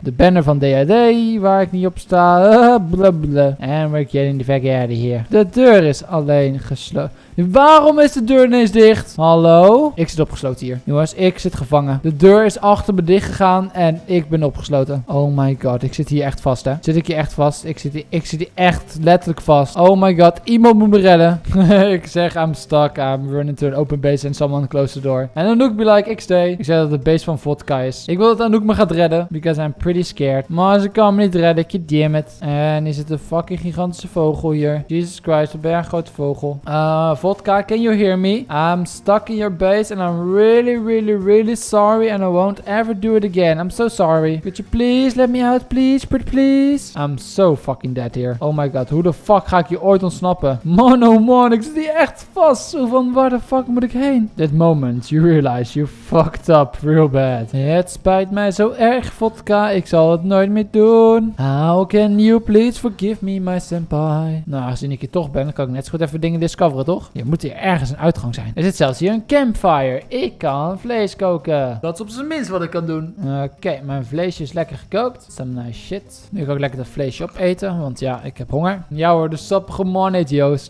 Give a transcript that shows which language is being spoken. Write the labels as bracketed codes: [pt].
[nl] De banner van D.A.D. waar ik niet op sta. [en] And we're getting very scared here. [nl] De deur is alleen gesloten. Waarom is de deur ineens dicht? Hallo? Ik zit opgesloten hier. Jongens, ik zit gevangen. De deur is achter me dicht gegaan en ik ben opgesloten. [en] Oh my god, [nl] ik zit hier echt vast, hè? Zit ik hier echt vast? Ik zit hier echt letterlijk vast. [en] Oh my god, [nl] iemand moet me redden. Ik zeg, [en] I'm stuck. I'm running to an open base and someone close the door. [nl] En Anouk be like, XD. Ik zeg dat het base van Vodka is. Ik wil dat Anouk me gaat redden. [en] Because I'm pretty scared. [nl] Maar ze kan me niet redden, ik damn it. En is het een fucking gigantische vogel hier? Jesus Christ, wat ben jij een grote vogel? [en] Vodka, can you hear me? I'm stuck in your base and I'm really, really, really sorry and I won't ever do it again. I'm so sorry. Could you please let me out, please, pretty please? I'm so fucking dead here. Oh my god, [nl] hoe de fuck ga ik hier ooit ontsnappen? Man, oh man, ik zit hier echt vast. Zo van, waar de fuck moet ik heen? [en] That moment, you realize you fucked up real bad. [nl] Het spijt mij zo erg, vodka. Ik zal het nooit meer doen. [en] How can you please forgive me, my senpai? [nl] Nou, aangezien ik hier toch ben, dan kan ik net zo goed even dingen discoveren, toch? Je moet hier ergens een uitgang zijn. Er zit zelfs hier een campfire. Ik kan vlees koken. Dat is op zijn minst wat ik kan doen. Oké, mijn vleesje is lekker gekookt. [en] Some nice shit. [nl] Nu kan ik lekker dat vleesje opeten, want ja, ik heb honger. Ja hoor, de sappige man, idioos.